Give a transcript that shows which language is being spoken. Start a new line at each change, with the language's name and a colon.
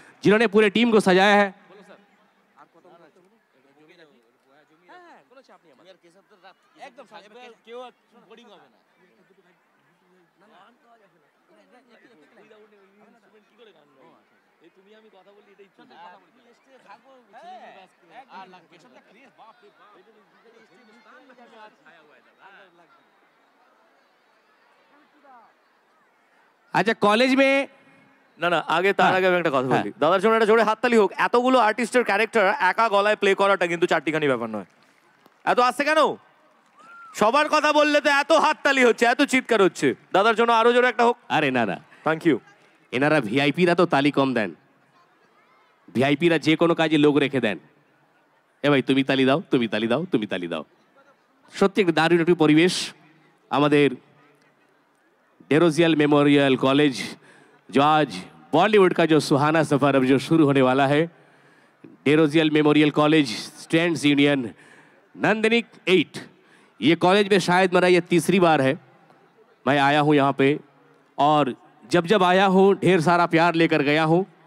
Hindi: जिन्होंने पूरे टीम को सजाया है আচ্ছা কলেজ মে
Bangla: না না আগে তার আগে একটা কথা বলি দাদার জন্য একটা জোরে হাততালি হোক এতগুলো আর্টিস্টের ক্যারেক্টার একা গলায় প্লে করাটা কিন্তু চারটিখানি ব্যাপার নয় এত আসছে কেন সবার কথা বললে তো এত হাততালি হচ্ছে এত চিৎকার হচ্ছে দাদার জন্য আরো জোরে একটা হোক আরে না না
English: thank you
Bangla: এনারা ভিআইপি রা তো তালি কম দেন ভিআইপি রা যে কোনো কাজে লোক রেখে দেন এ ভাই তুমি তালি দাও তুমি তালি দাও তুমি তালি দাও সত্যি একটা দারুণ একটি পরিবেশ আমাদের
Hindi: डेरोजियल मेमोरियल कॉलेज जो आज बॉलीवुड का जो सुहाना सफर अब जो शुरू होने वाला है डेरोजियल मेमोरियल कॉलेज स्टूडेंट्स यूनियन नंदनिक 8 ये कॉलेज में शायद मेरा ये तीसरी बार है मैं आया हूँ यहाँ पे और जब जब आया हूँ ढेर सारा प्यार लेकर गया हूँ